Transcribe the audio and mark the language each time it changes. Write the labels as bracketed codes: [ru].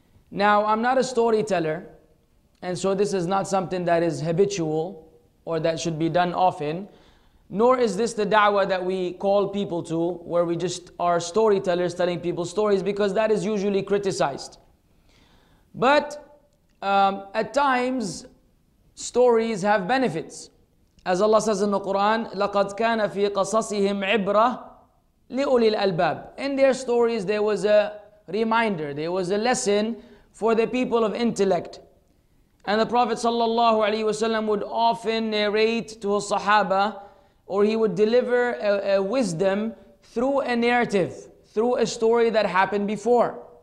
[en] Now, I'm not a storyteller, and so this is not something that is habitual or that should be done often, nor is this the da'wah that we call people to, where we just are storytellers telling people stories, because that is usually criticized. But at times, stories have benefits. As Allah says in the Qur'an, [ar] لَقَدْ كَانَ فِي قَصَصِهِمْ عِبْرَةً لِأُولِي الْأَلْبَابِ. [en] In their stories, there was a reminder, there was a lesson for the people of intellect. And the Prophet sallallahu alaihi wasallam would often narrate to his sahaba, or he would deliver a wisdom through a narrative, through a story that happened before.